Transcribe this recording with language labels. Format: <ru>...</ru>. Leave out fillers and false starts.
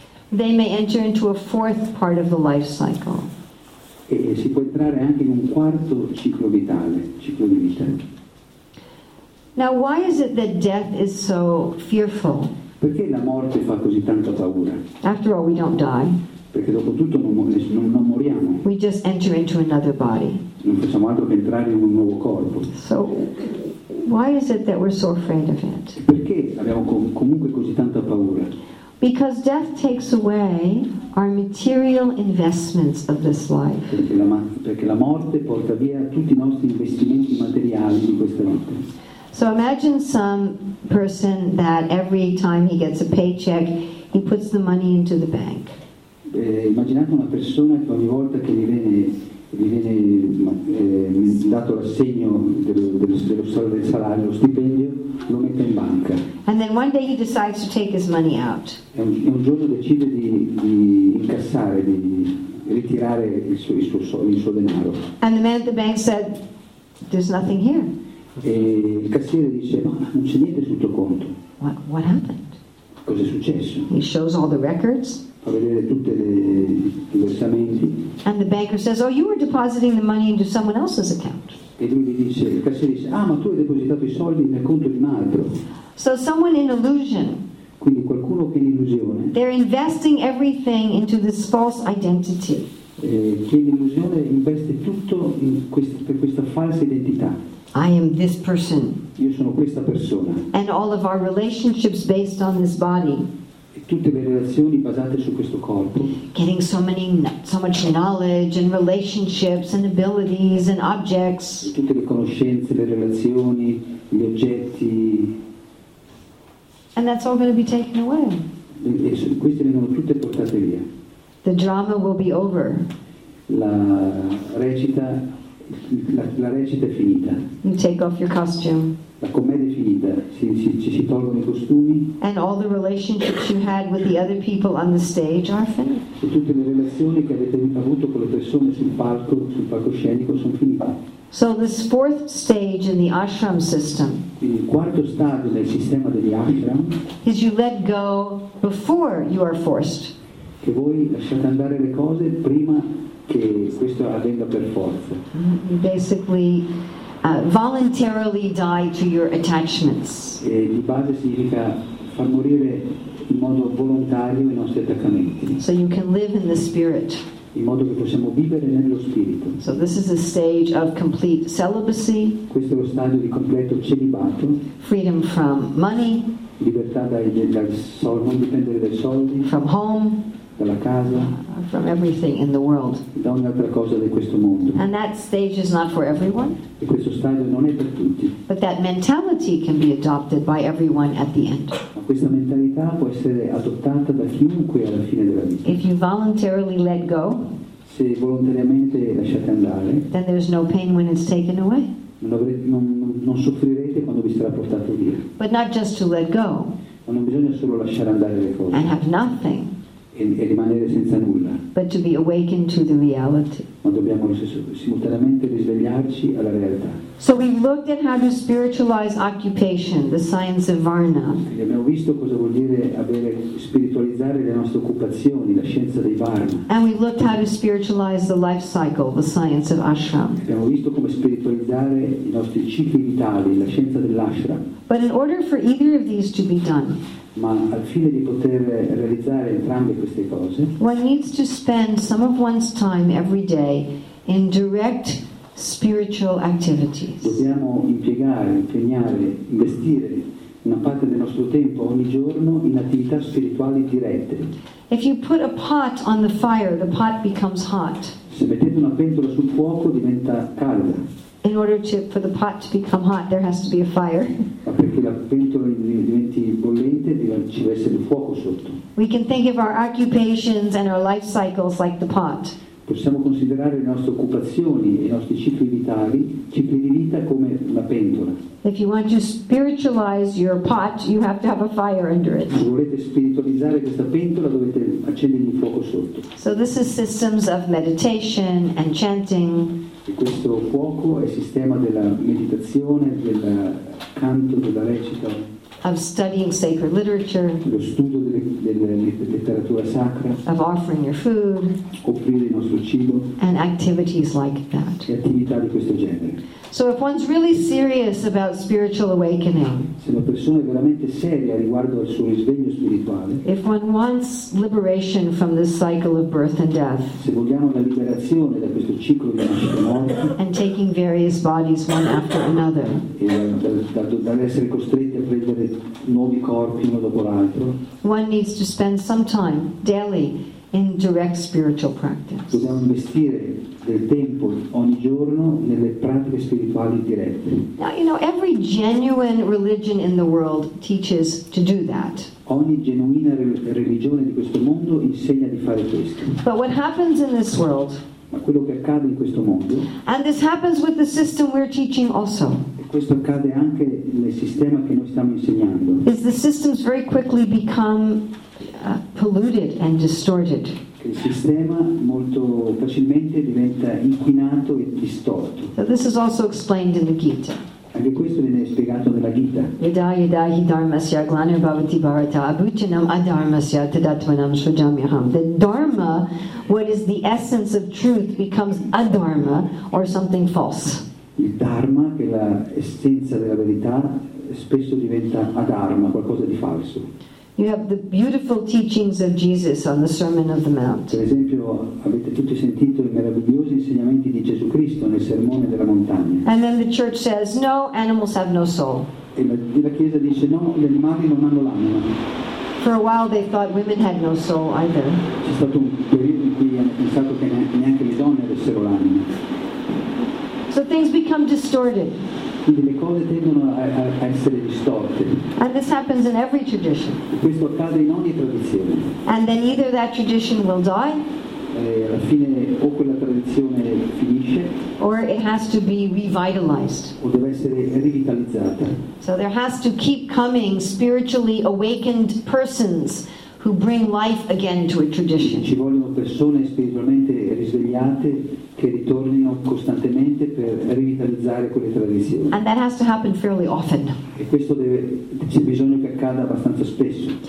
<en>they may enter into a fourth part of the life cycle.</en> <it>E si può entrare anche in un quarto ciclo vitale, ciclo di vita.</it> <en>Now, why is it that death is so fearful?</en> <it>Perché la morte fa così tanta paura?</it> <en>After all, we don't die.</en> <it>Perché dopo tutto non moriamo.</it> <en>We just enter into another body.</en> <it>Non facciamo altro che entrare in un nuovo corpo.</it> <en>So, why is it that we're so afraid of it?</en> <it>Perché abbiamo comunque così tanta paura?</it> <en>Because death takes away our material investments of this life.</en> <it>Perché la morte porta via tutti i nostri investimenti materiali di questa vita.</it> <en>So imagine some person that every time he gets a paycheck, he puts the money into the bank.</en> <it>Immaginate una persona che ogni volta che gli viene dato l'assegno del salario, lo stipendio, lo mette in banca.</it> <en>And then one day he decides to take his money out.</en> <it>E un giorno decide di incassare, di ritirare il suo denaro.</it> <en>And the man at the bank said, "There's nothing here."</en> <it>E il cassiere dice, "No, non c'è niente sul tuo conto."</it> <en>What happened?</en> <it>Cosa è successo?</it> <en>He shows all the records.</en> <it>A vedere tutte i versamenti.</it> <en>And the banker says, "Oh, you were depositing the money into someone else's account."</en> <it>E lui dice, il cassiere dice, "Ah, ma tu hai depositato i soldi nel conto di un altro."</it> <en>So someone in illusion.</en> <it>Quindi qualcuno che è in illusione.</it> <en>They're investing everything into this false identity.</en> <it>Che in illusione investe tutto per questa falsa identità.</it> <en>I am this person.</en> <it>Io sono questa persona.</it> <en>And all of our relationships based on this body.</en> <it>Tutte le relazioni basate su questo corpo.</it> <en>Getting so much knowledge and relationships and abilities and objects.</en> <it>Tutte le conoscenze, le relazioni, gli oggetti.</it> <en>And that's all going to be taken away.</en> <it>Queste vengono tutte portate via.</it> <en>The drama will be over.</en> <it>La recita è finita.</it> <en>You take off your costume.</en> <it>La commedia è finita, si tolgono i costumi.</it> <en>And all the relationships you had with the other people on the stage are finished.</en> <it>E tutte le relazioni che avete avuto con le persone sul palcoscenico sono finite.</it> <en>So this fourth stage in the ashram system.</en> <it>Quindi il quarto stadio nel sistema degli ashram.</it> <en>Is you let go before you are forced.</en> <it>Che voi lasciate andare le cose prima che questo avvenga per forza.</it> <en>Basically. Voluntarily die to your attachments.</en> <it>E di base significa far morire in modo volontario i nostri attaccamenti.</it> <en>So you can live in the spirit.</en> <it>In modo che possiamo vivere nello spirito.</it> <en>So this is a stage of complete celibacy.</en> <it>Questo è lo stadio di completo celibato.</it> <en>Freedom from money.</en> <it>Libertà dal soldi, non dipendere dai soldi.</it> <en>From home.</en> <it>Dalla casa.</it> <en>From everything in the world.</en> <it>Da ogni altra cosa di questo mondo.</it> <en>And that stage is not for everyone.</en> <it>E questo stadio non è per tutti.</it> <en>But that mentality can be adopted by everyone at the end.</en> <it>Ma questa mentalità può essere adottata da chiunque alla fine della vita.</it> <en>If you voluntarily let go,</en> <it>se volontariamente lasciate andare,</it> <en>then there's no pain when it's taken away.</en> <it>Non soffrirete quando vi sarà portato via.</it> <en>But not just to let go.</en> <it>Ma non bisogna solo lasciare andare le cose.</it> <en>And have nothing.</en> <it>E rimanere senza nulla.</it> <en>But to be awakened to the reality.</en> <it>Ma dobbiamo simultaneamente risvegliarci alla realtà.</it> <en>So we looked at how to spiritualize occupation, the science of Varna.</en> <it>E abbiamo visto cosa vuol dire avere spiritualizzare le nostre occupazioni, la scienza dei Varna.</it> <en>And we looked how to spiritualize the life cycle, the science of Ashram.</en> <it>E abbiamo visto come spiritualizzare i nostri cicli vitali, la scienza dell'ashram.</it> <en>But in order for either of these to be done.</en> <it>Ma al fine di poter realizzare entrambe queste cose,</it> <en>one needs to spend some of one's time every day in direct spiritual activities.</en> <it>Dobbiamo impegnare, investire una parte del nostro tempo ogni giorno in attività spirituali dirette.</it> <en>If you put a pot on the fire, the pot becomes hot.</en> <it>Se mettete una pentola sul fuoco, diventa calda.</it> <en>in order to for the pot to become hot, there has to be a fire.</en> <it>Perché la pentola diventi bollente, ci deve essere fuoco sotto.</it> <en>We can think of our occupations and our life cycles like the pot.</en> <it>Possiamo considerare le nostre occupazioni e i nostri cicli di vita come una pentola.</it> <en>If you want to spiritualize your pot, you have to have a fire under it.</en> <it>Se volete spiritualizzare questa pentola, dovete accendere il fuoco sotto.</it> <en>So this is systems of meditation and chanting.</en> <it>E questo fuoco è il sistema della meditazione, del canto, della recita.</it> <en>Of studying sacred literature.</en> <it>Lo studio della letteratura sacra.</it> <en>Of offering your food.</en> <it>Offrire il nostro cibo.</it> <en>And activities like that.</en> <it>E attività di questo genere.</it> <en>So if one's really serious about spiritual awakening.</en> <it>Se una persona è veramente seria riguardo al suo risveglio spirituale.</it> <en>If one wants liberation from this cycle of birth and death.</en> <it>Se vogliamo la liberazione da questo ciclo di nascita e morte.</it> <en>And taking various bodies one after another.</en> <it>E dal essere costretti a prendere nuovi corpi uno dopo l'altro.</it> <en>One needs to spend some time daily in direct spiritual practice.</en> <it>Dobbiamo investire del tempo ogni giorno nelle pratiche spirituali dirette.</it> <en>Now, you know, every genuine religion in the world teaches to do that.</en> <it>Ogni genuina religione di questo mondo insegna di fare questo.</it> <en>But what happens in this world?</en> <it>Ma quello che accade in questo mondo?</it> <en>And this happens with the system we're teaching also.</en> <it>Questo accade anche nel sistema che noi stiamo insegnando.</it> <en>Is the systems very quickly become polluted and distorted.</en> <it>Il sistema molto facilmente diventa inquinato e distorto.</it> <en>So this is also explained in the Gita.</en> <it>Anche questo viene spiegato nella Gita.</it> <sa>Vidaya dahi dharmasya glanir bhavati bharata abhuchanam adharmasya tadatvanam svajamyaham.</sa> <en>The dharma, what is the essence of truth, becomes adharma or something false.</en> <it>Il dharma, che è l'essenza della verità, spesso diventa adharma, qualcosa di falso.</it> <en>You have the beautiful teachings of Jesus on the Sermon of the Mount.</en> <it>Per esempio, avete tutti sentito i meravigliosi insegnamenti di Gesù Cristo nel Sermone della Montagna.</it> <en>And then the church says, no, animals have no soul.</en> <it>E la Chiesa dice, no, gli animali non hanno l'anima.</it> <en>For a while they thought women had no soul either.</en> <it>C'è stato un periodo in cui hanno pensato che neanche le donne avessero l'anima.</it> <en>So things become distorted.</en> <it>Quindi le cose tendono a essere distorte.</it> <en>And this happens in every tradition.</en> <it>Questo accade in ogni tradizione.</it> <en>And then either that tradition will die.</en> <it>Alla fine o quella tradizione finisce.</it> <en>Or it has to be revitalized.</en> <it>O deve essere rivitalizzata.</it> <en>So there has to keep coming spiritually awakened persons who bring life again to a tradition.</en> <it>Ci vogliono persone spiritualmente risvegliate che ritornino costantemente per rivitalizzare quelle tradizioni.</it> <en>And that has to happen fairly often.</en> <it>E questo c'è bisogno che accada abbastanza spesso.</it>